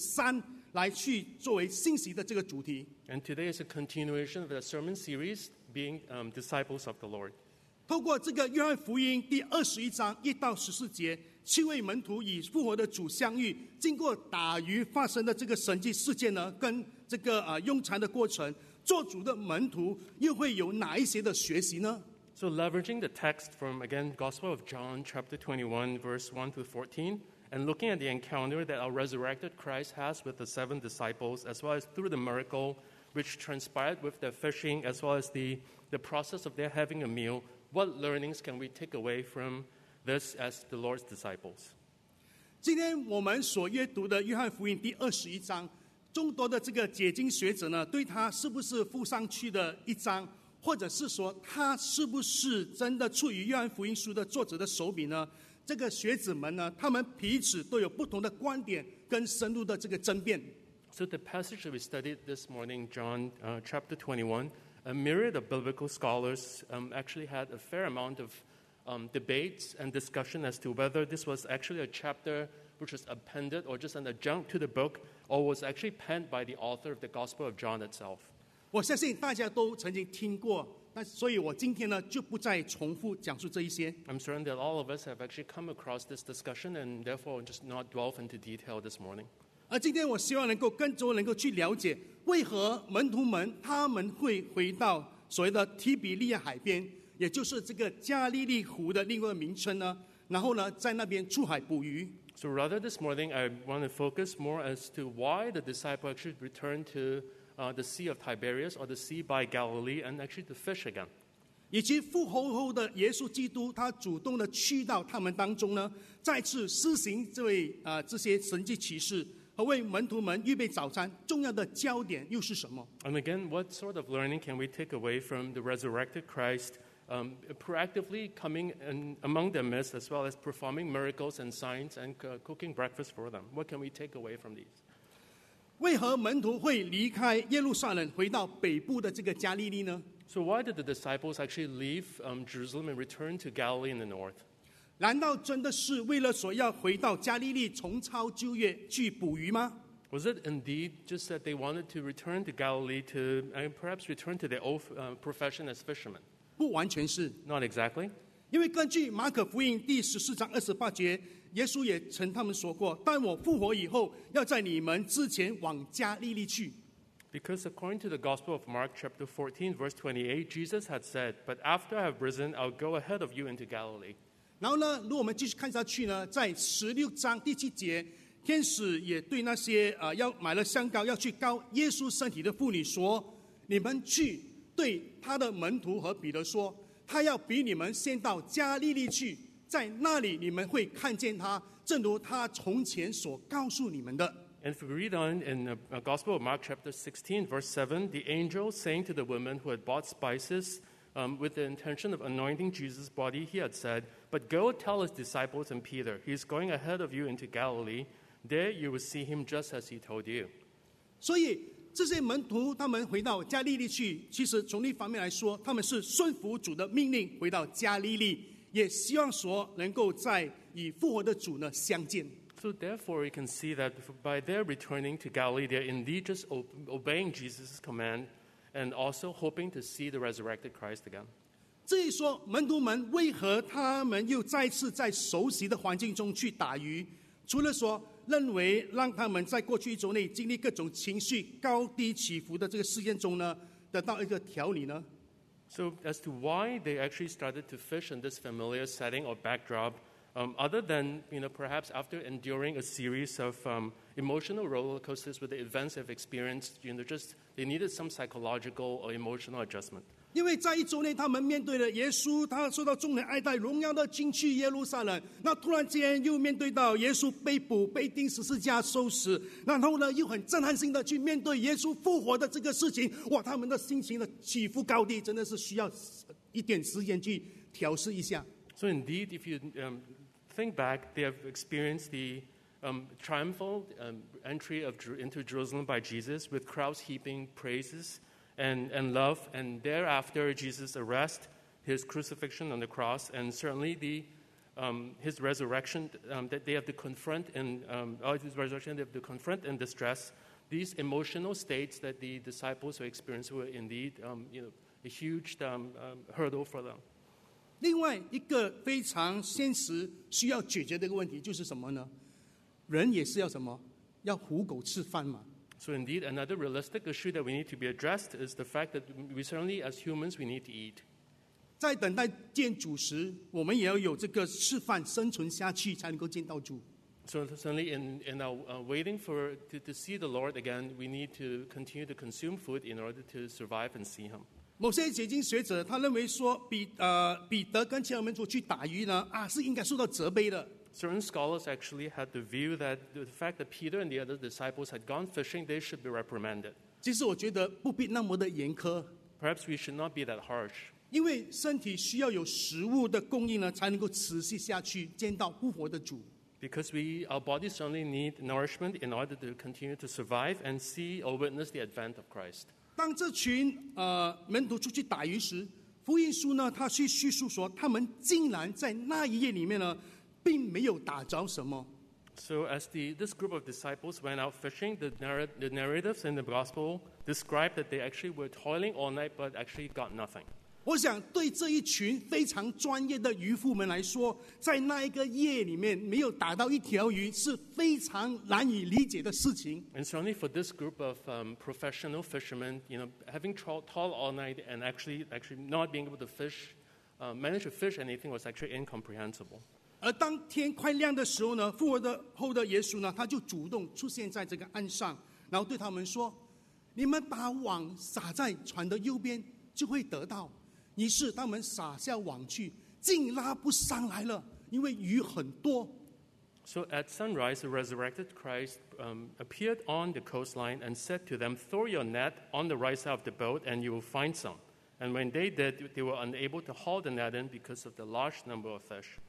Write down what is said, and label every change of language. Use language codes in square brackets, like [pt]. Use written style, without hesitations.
[zh] 而今天呢，我们讲到了仍然是持续以做主门徒三来去作为信息的这个主题。 [en] And today is a continuation of the sermon series, being disciples of the Lord. [zh] 透过这个约翰福音第21章1到14节，七位门徒与复活的主相遇，经过打鱼发生的这个神迹事件呢，跟这个用餐的过程，做主的门徒又会有哪一些的学习呢？ [en] So leveraging the text from, again, Gospel of John, chapter 21, verse 1 to 14, and looking at the encounter that our resurrected Christ has with the seven disciples, as well as through the miracle which transpired with their fishing, as well as the process of their having a meal, what learnings can we take away from this as the Lord's disciples? [zh] 今天我们所阅读的约翰福音第二十一章，众多的这个解经学者呢，对他是不是附上去的一章，或者是说他是不是真的出于约翰福音书的作者的手笔呢？这个学子们呢，他们彼此都有不同的观点跟深入的这个争辩。 [en] So the passage that we studied this morning, John, chapter 21, a myriad of biblical scholars, actually had a fair amount of, debates and discussion as to whether this was actually a chapter which was appended or just an adjunct to the book, or was actually penned by the author of the Gospel of John itself. [zh] 我相信大家都曾经听过，那所以我今天呢就不再重复讲述这一些。 [en] I'm certain that all of us have actually come across this discussion, and therefore just not delve into detail this morning. [zh] 而今天我希望能够更多能够去了解为何门徒们他们会回到所谓的提比利亚海边，也就是这个加利利湖的另外一个名称呢，然后呢在那边出海捕鱼。 [en] So rather this morning I want to focus more as to why the disciples actually returned to the Sea of Tiberias or the Sea by Galilee and actually to fish again. [zh] 以及复活后的耶稣基督，他主动的去到他们当中呢，再次施行这些神迹奇事，和为门徒们预备早餐，重要的焦点又是什么？ [en] And again, what sort of learning can we take away from the resurrected Christ, proactively coming in among them as well as performing miracles and signs and cooking breakfast for them? What can we take away from these? [zh] 为何门徒会离开耶路撒冷回到北部的这个加利利呢？ [en] So why did the disciples actually leave Jerusalem and return to Galilee in the north? [zh] 难道真的是为了说要回到加利利重操旧业去捕鱼吗？ [en] Was it indeed just that they wanted to return to Galilee to perhaps return to their old profession as fishermen? [zh] 不完全是。 [en] Not exactly. [zh] 因为根据马可福音第十四章二十八节，耶稣也曾他们说过，但我复活以后要在你们之前往加利利去。 [en] Because according to the Gospel of Mark chapter 14 verse 28, Jesus had said, but after I have risen, I'll go ahead of you into Galilee. [zh] 然后呢，如果我们继续看下去呢，在十六章第七节，天使也对那些要买了香膏要去膏耶稣身体的妇女说：“你们去，对他的门徒和彼得说，他要比你们先到加利利去，在那里你们会看见他，正如他从前所告诉你们的。” [en] And if we read on in the Gospel of Mark chapter 16, verse 7, the angel saying to the women who had bought spices, with the intention of anointing Jesus' body, he had said. But go tell his disciples and Peter, he is going ahead of you into Galilee. There you will see him just as he told you. [zh] 所以这些门徒他们回到加利利去，其实从一方面来说，他们是顺服主的命令回到加利利，也希望说能够在与复活的主呢相见。 [en] So therefore, you can see that by their returning to Galilee, they are indeed just obeying Jesus' command and also hoping to see the resurrected Christ again. [zh] 至于说门徒们为何他们又再次在熟悉的环境中去打鱼，除了说认为让他们在过去一周内经历各种情绪高低起伏的这个事件中呢，得到一个调理呢？ [en] So as to why they actually started to fish in this familiar setting or backdrop, other than you know perhaps after enduring a series of emotional roller coasters with the events they've experienced, you know just they needed some psychological or emotional adjustment. [zh] 因为在一周内，他们面对了耶稣，他受到众人爱戴，荣耀的进去耶路撒冷。那突然间又面对到耶稣被捕、被钉十字架、受死，然后呢又很震撼性的去面对耶稣复活的这个事情。哇，他们的心情的起伏高低，真的是需要一点时间去调试一下。 [en] So indeed, if you think back, they have experienced the triumphal entry of into Jerusalem by Jesus with crowds heaping praises. And love, and thereafter Jesus' arrest, his crucifixion on the cross, and certainly the his resurrection that they have to confront in his resurrection they have to confront in distress. These emotional states that the disciples were experiencing were indeed a huge hurdle for them. [zh] 另外一个非常现实需要解决的一个问题就是什么呢？人也是要什么？要糊口吃饭嘛。 [en] So indeed, another realistic issue that we need to be addressed is the fact that we certainly, as humans, we need to eat. [zh] 在等待见主时，我们也要有这个吃饭生存下去，才能够见到主。 [en] So certainly, in our waiting for to see the Lord again, we need to continue to consume food in order to survive and see Him. [zh] 某些解经学者他认为说，彼得跟其他门徒去打鱼呢，是应该受到责备的。 [en] Certain scholars actually had the view that the fact that Peter and the other disciples had gone fishing, they should be reprimanded. [zh] 其实我觉得不必那么的严苛。 [en] Perhaps we should not be that harsh. [zh] 因为身体需要有食物的供应呢，才能够持续下去，见到复活的主。 [en] Because our bodies certainly need nourishment in order to continue to survive and see or witness the advent of Christ. [zh] 当这群门徒出去打鱼时，福音书呢，它去叙述说，他们竟然在那一夜里面呢。并没有打着什么。 [en] So as this group of disciples went out fishing, the narratives in the gospel describe that they actually were toiling all night, but actually got nothing. [zh] 我想对这一群非常专业的渔夫们来说，在那一个夜里面没有打到一条鱼是非常难以理解的事情。 [en] And certainly for this group of professional fishermen, you know, having toiled all night and actually not being able to fish, manage to fish anything was actually incomprehensible. [zh] 而当天快亮的时候呢，复活的后的耶稣呢，他就主动出现在这个岸上，然后对他们说：“你们把网撒在船的右边，就会得到。” 于是他们撒下网去，竟拉不上来了，因为鱼很多。 [en] So at sunrise, the resurrected Christ appeared on the coastline and said to them, "Throw your net on the right side of the boat, and you will find some." And when they did, they were unable to haul the net in because of the large number of fish.